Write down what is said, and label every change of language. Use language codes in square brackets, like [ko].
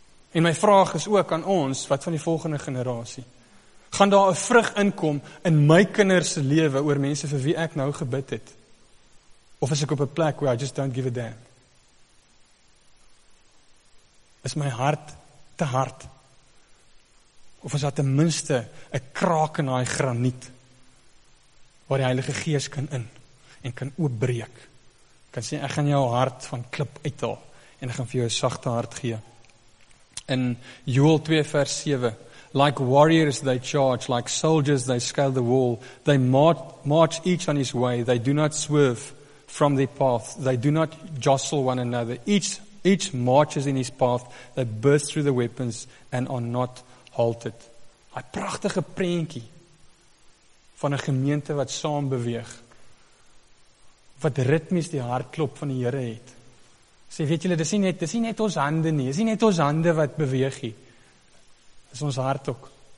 [af] En my vraag is ook aan ons, wat van die volgende generasie? Gaan daar 'n vrug inkom in my kinders se lewe oor mense vir wie ek nou gebid het? Of is ek op 'n plek [en] where I just don't give a damn? [af] Is my hart te hard? Of is daar ten minste 'n kraak in daai graniet waar die Heilige Gees kan in? en kan oopbreek. Kan sê, ek gaan jou hart van klip uithaal, en ek gaan vir jou een sagte hart gee. [en] In Joel 2 vers 7, like warriors they charge, like soldiers they scale the wall, they march each on his way, they do not swerve from their path, they do not jostle one another, each marches in his path, they burst through the weapons, and are not halted. [af] Hy prachtige prentjie, van 'n gemeente wat saam beweeg, wat ritmies die hartklop van die Here het. Sê, weet julle, dis nie net ons hande nie, dis nie net ons hande wat beweeg nie, dis ons hart ook.